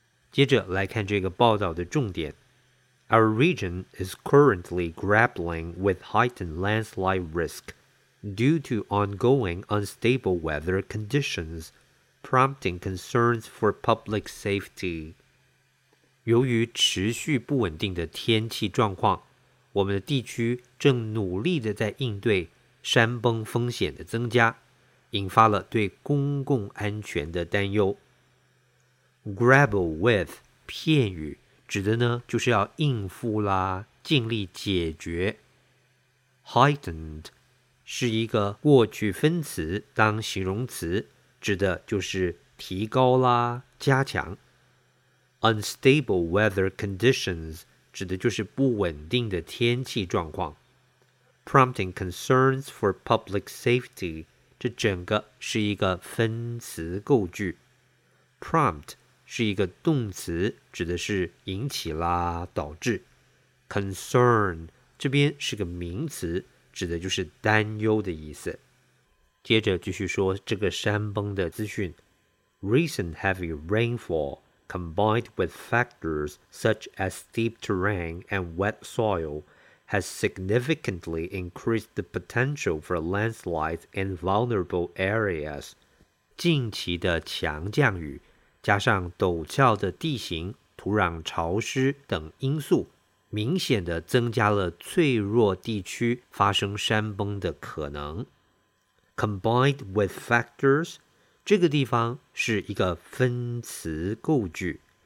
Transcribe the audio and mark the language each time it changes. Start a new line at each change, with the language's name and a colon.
Chinese: 接着来看这个报道的重点。
English: Our region is currently grappling with heightened landslide risk due to ongoing unstable weather conditions. Prompting concerns for public safety.
Chinese: 由于持续不稳定的天气状况，我们的地区正努力地在应对山崩风险的增加，引发了对公共安全的担忧。 Grapple with 片语指的呢，就是要应付啦，尽力解决。 Heightened 是一个过去分词当形容词。指的就是提高啦，加强。
English: Unstable weather conditions
Chinese: 指的就是不稳定的天气状况。
English: Prompting concerns for public safety
Chinese: 这整个是一个分词构句。 Prompt 是一个动词，指的是引起啦，导致。 Concern 这边是个名词，指的就是担忧的意思。接着继续说这个山崩的资讯。 Recent heavy rainfall combined with factors such as steep terrain and wet soil has significantly increased the potential for landslides in vulnerable areas. 近期的强降雨加上陡峭的地形、土壤潮湿等因素明显地增加了脆弱地区发生山崩的可能。
English: Combined with factors,
Chinese: 这个地方是一个分词构句。